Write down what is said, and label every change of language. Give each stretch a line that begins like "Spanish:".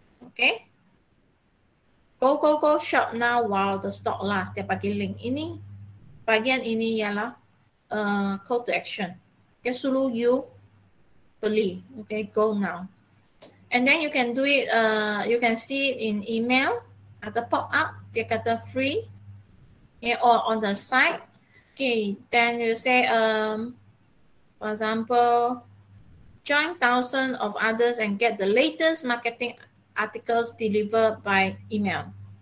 English: Okay, go go go shop now while the stock lasts.
Malay: Dia pakai link ini. Bagian ini ialah call to action. Dia suruh you beli. Okay, go now.
English: And then you can do it, you can see it in email at the pop-up, dia kata free, okay, or on the site. Okay, then you say, for example, join thousands of others and get the latest marketing articles delivered by email.